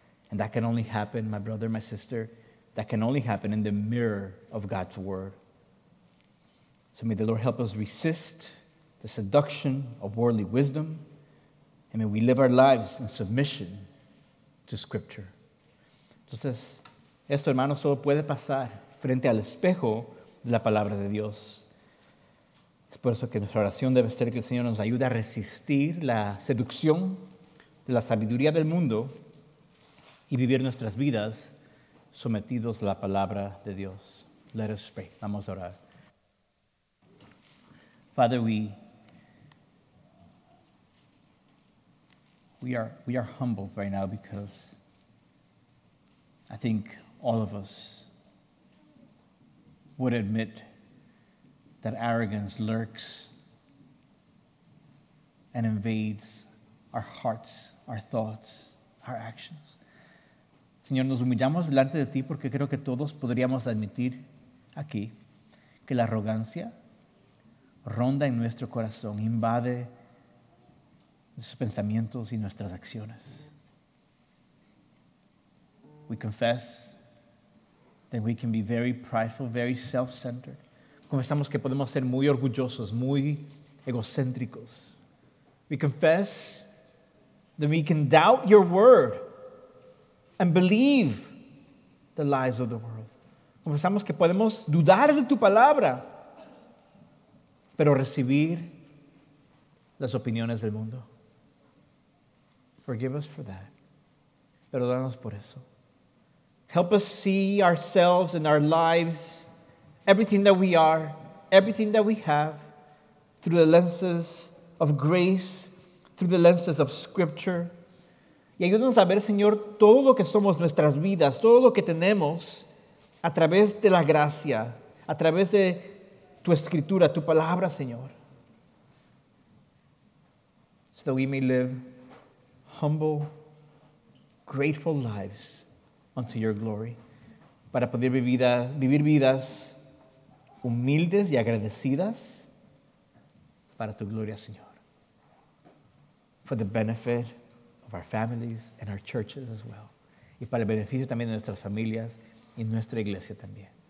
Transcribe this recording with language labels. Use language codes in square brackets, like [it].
[en] And that can only happen, my brother, my sister, that can only happen in the mirror of God's word. So may the Lord help us resist the seduction of worldly wisdom, and may we live our lives in submission to Scripture. [es] Entonces, esto, hermano, solo puede pasar frente al espejo de la palabra de Dios. Es por eso que nuestra oración debe ser que el Señor nos ayude a resistir la seducción de la sabiduría del mundo y vivir nuestras vidas sometidos a la palabra de Dios. [en] Let us pray. [es] Vamos a orar. [en] Father, we are humbled right now because I think all of us would admit that arrogance lurks and invades our hearts, our thoughts, our actions. [es] Señor, nos humillamos delante de ti porque creo que todos podríamos admitir aquí que la arrogancia ronda en nuestro corazón, invade nuestros pensamientos y nuestras acciones. [en] We confess that we can be very prideful, very self-centered. [es] Confesamos que podemos ser muy orgullosos, muy egocéntricos. [en] We confess that we can doubt your word and believe the lies of the world. [es] Confesamos que podemos dudar de tu palabra, pero recibir las opiniones del mundo. [en] Forgive us for that. [es] Perdónanos por eso. [en] Help us see ourselves and our lives, everything that we are, everything that we have, through the lenses of grace, through the lenses of Scripture. [es] Y ayúdanos a ver, Señor, todo lo que somos, nuestras vidas, todo lo que tenemos, a través de la gracia, a través de tu Escritura, tu palabra, Señor. [en] So that we may live humble, grateful lives unto your glory. [es] Para poder vivir vidas humildes y agradecidas para tu gloria, Señor. [en] For the benefit of our families and our churches as well. [es] Y para el beneficio también de nuestras familias y nuestra iglesia también.